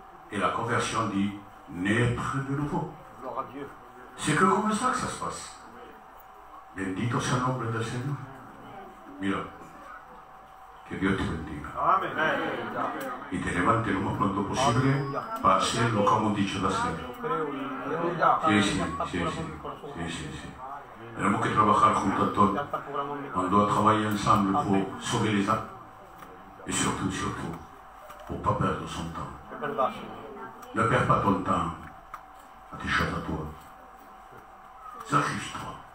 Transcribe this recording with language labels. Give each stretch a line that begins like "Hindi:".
French: Et la conversion dit naître de nouveau. Gloire à Dieu. C'est que comme ça que ça se passe.
Spanish: Bendito sea el nombre del Señor. Mira. Que Dieu te bendiga. Amen. Y te levante lo más pronto posible para hacer lo que hemos dicho de hacer. Sí.
French: Nous avons que travailler ensemble avec toi. On doit travailler ensemble pour sauver les âmes. Et surtout, pour ne pas perdre son temps. Ne perds pas ton temps à tes choses à toi. Sacrifie-toi.